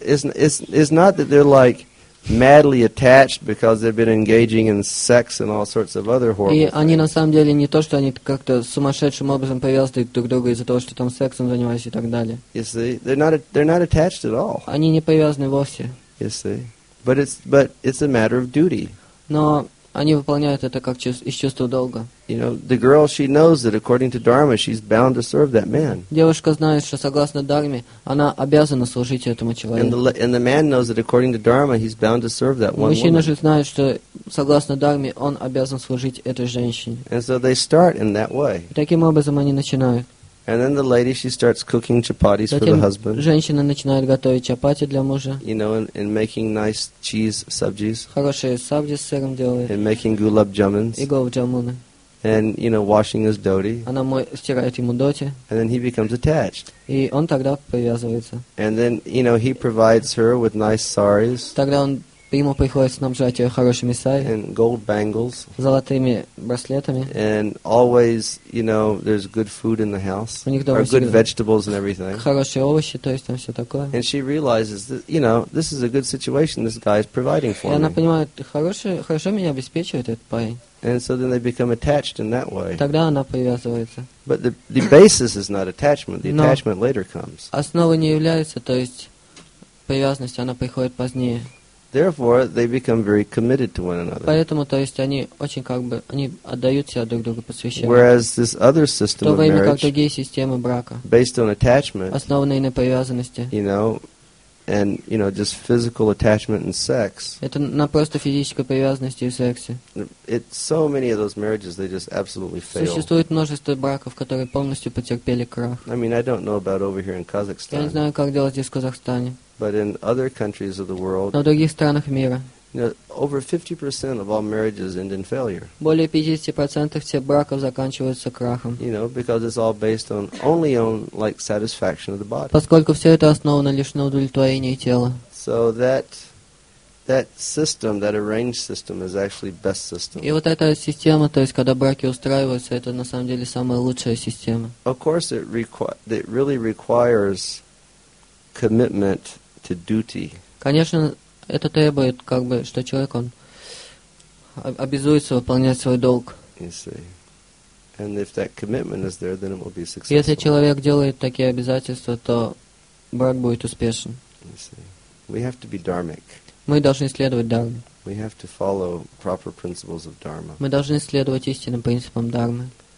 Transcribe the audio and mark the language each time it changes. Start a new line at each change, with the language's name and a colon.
English: It's not that they're like madly attached because they've been engaging in sex and all sorts of other horrible.
Russian: И они на самом деле не то, что они как-то сумасшедшим образом привязаны друг к другу из-за того, что там сексом занимаются и так далее.
English: You see, they're not attached at all.
Russian: Они не привязаны вовсе.
English: You see, but it's a matter of duty.
Russian: Но они выполняют это как из чувства долга.
English: You know, the girl, she knows that according to Dharma, she's bound to serve that man.
Russian: Девушка знает, что согласно Дарме, она обязана служить этому человеку.
English: And the man knows that according to Dharma, he's bound to serve that one woman.
Russian: Мужчина же знает, что согласно Дарме, он обязан служить этой женщине.
English: And so they start in that way.
Russian: Таким образом они начинают.
English: And then the lady, she starts cooking chapatis
Russian: Затем
English: for the husband.
Russian: Женщина начинает готовить чапати для мужа.
English: You know, and making nice cheese sabjis.
Russian: Хорошие сабджи с сыром делает.
English: And making gulab jamuns.
Russian: И гулаб джамуны.
English: And, you know, washing his dhoti.
Russian: Она стирает ему доти.
English: And then he becomes attached.
Russian: И он тогда привязывается.
English: And then, you know, he provides her with nice saris.
Russian: Тогда он ему приходит снабжать ее хорошими сари.
English: And gold bangles.
Russian: Золотыми браслетами.
English: And always, you know, there's good food in the house.
Russian: У них дома
English: good vegetables and everything.
Russian: Хорошие овощи, то есть там все такое.
English: And she realizes that, you know, this is a good situation this guy is providing for
Russian: И
English: me.
Russian: Она понимает, хорошо меня обеспечивает этот парень.
English: And so then they become attached in that way.
Russian: Тогда она привязывается.
English: But the basis is not attachment. The
Russian: Но
English: attachment later comes.
Russian: Основа не является, то есть привязанность, она приходит позднее.
English: Therefore, they become very committed to one another.
Russian: Поэтому, то есть, они очень как бы, они отдают себя друг другу, посвящают.
English: Whereas this other system
Russian: То
English: of marriage,
Russian: как другие системы брака,
English: based on attachment,
Russian: основанные на привязанности,
English: you know, and, you know, just physical attachment and sex.
Russian: Это на просто физической привязанности и сексе.
English: It's so many of those marriages, they just absolutely fail.
Russian: Существует множество браков, которые полностью потерпели крах.
English: I mean, I don't know about over here in Kazakhstan.
Russian: Я не знаю, как дела здесь в Казахстане.
English: But in other countries of the world,
Russian: Но в других странах мира,
English: you know, over 50% of all marriages end in failure.
Russian: Более 50% всех браков заканчиваются крахом.
English: You know, because it's all based on only on like satisfaction of the body.
Russian: Поскольку все это основано лишь на удовлетворении тела.
English: So that system, that arranged system, is actually best system.
Russian: И вот эта система, то есть когда браки устраиваются, это на самом деле самая лучшая система.
English: Of course, it really requires commitment to duty.
Russian: Конечно, это требует, как бы, что человек он обязуется выполнять свой долг.
English: You see. And if that commitment is there, then it will be successful.
Russian: Если человек делает такие обязательства, то брак будет успешен.
English: You see. We have to be dharmic.
Russian: Мы должны следовать дхарме.
English: We have to follow proper principles of dharma.
Russian: Мы должны следовать истинным принципам дхармы.